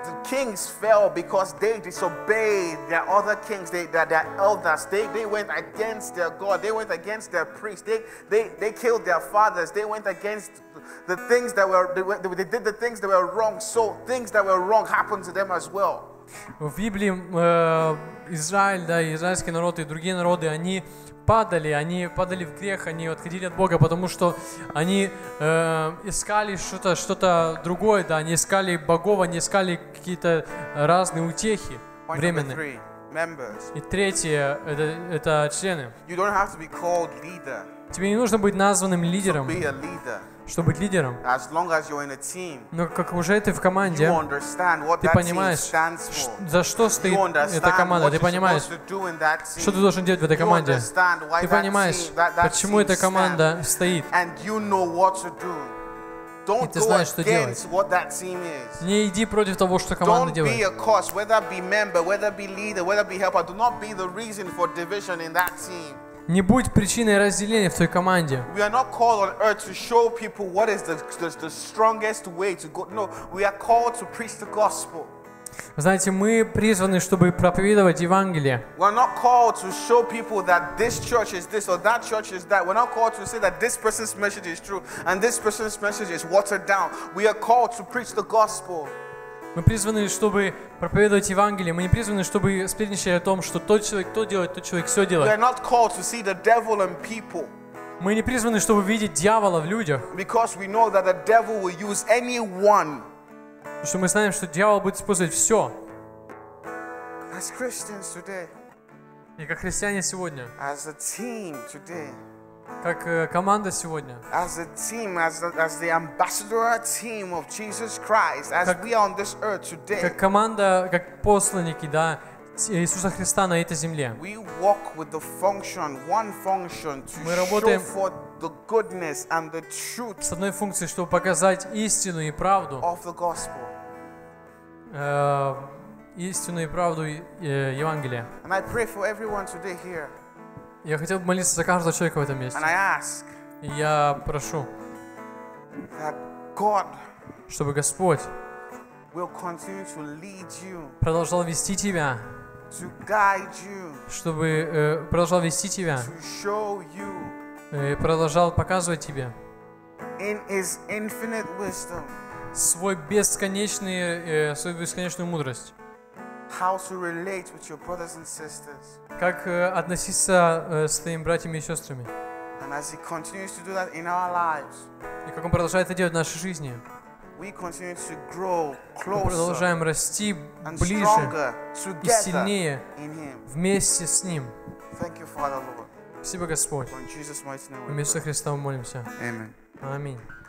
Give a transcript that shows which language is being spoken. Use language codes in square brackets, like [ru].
[en] Kings fell because they disobeyed their other kings, their elders. They went against their God. They went against their priests. They killed their fathers. They went against the things that were they did the things that were wrong. So things that were wrong happened to them as well. [ru] В Библии Израиль, да, израильский народ и другие народы, они падали в грех, они отходили от Бога, потому что они искали что-то другое, да, они искали богов, они искали какие-то разные утехи временные. И третье, это члены. [en] You don't have to be called leader. [ru] Тебе не нужно быть названным лидером. [en] To be a leader. [ru] Чтобы быть лидером. [en] As long as you're in a team, [ru] но как уже ты в команде, [en] you understand what [ru] ты понимаешь, [en] that team stands for. [ru] За что стоит [en] you understand [ru] эта команда, ты понимаешь, [en] what you're supposed to do in that team. [ru] Что ты должен делать в этой команде, [en] you understand why [ru] ты понимаешь, [en] that team, [ru] почему эта команда стоит, [en] and you know what to do. Don't [ru] и ты знаешь, что делать. [en] What that team is. [ru] Не иди против того, что команда [en] don't [ru] делает. [en] Don't be a cause, whether it be member, whether it be leader, whether it be helper. Do not be the reason for division in that team. [ru] Не будь причиной разделения в той команде. [en] We are not called on earth to show people what is the strongest way to go. No, we are called to preach the gospel. [ru] Знаете, мы призваны, чтобы проповедовать Евангелие. [en] We are not called to show people that this church is this or that church is that. We're not called to say that this person's message is true and this person's message is watered down. We are called to preach the gospel. [ru] Мы призваны, чтобы проповедовать Евангелие. Мы не призваны, чтобы сплетничать о том, что тот человек то делает, тот человек все делает. [en] We are not called to see the devil in people. [ru] Мы не призваны, чтобы видеть дьявола в людях. [en] Because we know that the devil will use anyone. [ru] Потому что мы знаем, что дьявол будет использовать все. [en] As Christians today. [ru] И как христиане сегодня. [en] As a team today. [ru] Как команда сегодня. [en] As a team, as the ambassador team of Jesus Christ, as we are on this earth today. [ru] Как команда, как посланники, да, Иисуса Христа на этой земле. [en] We walk with the function, one function to [ru] мы работаем [en] show for the goodness and the truth. [ru] С одной функцией, чтобы показать истину и правду. [en] Of the gospel. [ru] Истину и правду Евангелия. [en] And I pray for everyone today here. [ru] Я хотел бы молиться за каждого человека в этом месте. [en] And I ask, [ru] и я прошу, [en] that God [ru] чтобы Господь [en] will continue to lead you, [ru] продолжал вести тебя, [en] to guide you, [ru] чтобы продолжал вести тебя, [en] to show you, [ru] продолжал показывать тебе [en] in his infinite wisdom, [ru] свою бесконечную мудрость. [en] How to relate with your brothers and sisters? [ru] Как относиться с твоими братьями и сестрами? [en] And as He continues to do that in our lives, [ru] и как Он продолжает это делать в нашей жизни, [en] we continue to grow closer, [ru] мы продолжаем расти [en] and [ru] ближе [en] stronger, [ru] и сильнее вместе с Ним. [en] Thank you, Father, Lord. [ru] Спасибо, Господь. [en] In Jesus' mighty name, [ru] в имя Иисуса Христа мы молимся. Amen. Аминь.